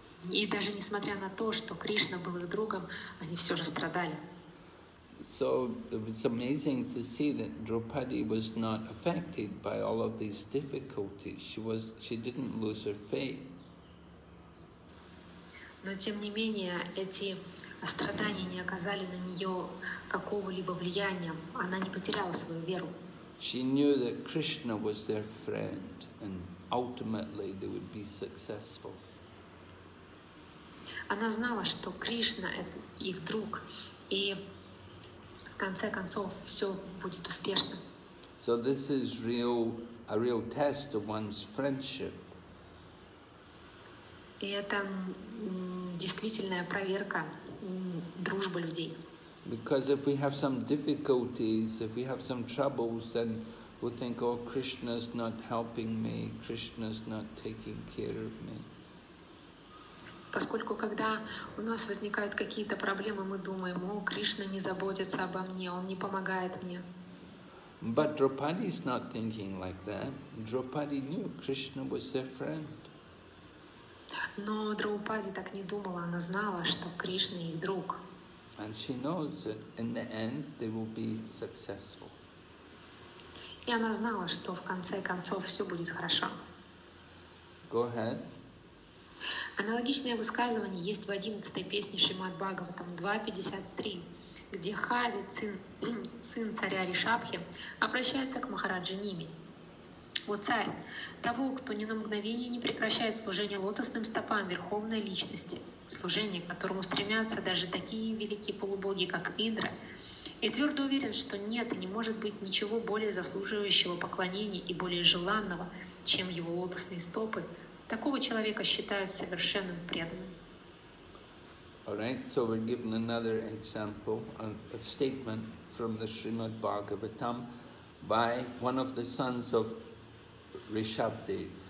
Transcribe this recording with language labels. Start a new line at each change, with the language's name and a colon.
Russian: И даже несмотря на то, что Кришна был их другом, они все же страдали.
English: So it was amazing to see that Draupadi was not affected by all of these difficulties. She didn't lose her faith.
Russian: Но тем не менее, эти страдания не оказали на нее какого-либо влияния. Она не потеряла свою веру.
English: She knew that Krishna was their friend and ultimately they would be successful.
Russian: Она знала, что Кришна это их друг, и в конце концов все будет успешно.
English: So this is a real test of one's friendship.
Russian: И это действительная проверка дружбы людей.
English: Because if we have some difficulties, if we have some troubles, then we think, oh, Krishna's not helping me, Krishna's not taking care of me.
Russian: Поскольку когда у нас возникают какие-то проблемы, мы думаем, о, Кришна не заботится обо мне, он не помогает мне.
English: But Draupadi is not thinking like that. Draupadi knew Krishna was their friend.
Russian: Но Драупади так не думала, она знала, что Кришна их друг.
English: And she knows that in the end they will be successful.
Russian: И она знала, что в конце концов все будет хорошо.
English: Go ahead.
Russian: Аналогичное высказывание есть в 11-й песне Шримад Бхагаватам 2.53, где Хави, сын царя Ришабхи, обращается к Махараджи Ними. «О царь, того, кто ни на мгновение не прекращает служение лотосным стопам Верховной Личности, служение, к которому стремятся даже такие великие полубоги, как Индра, и твердо уверен, что нет и не может быть ничего более заслуживающего поклонения и более желанного, чем его лотосные стопы, такого человека считают совершенным преданным».
English: All right, so we're given another example, a statement from the Srimad Bhagavatam by one of the sons of Rishabdev.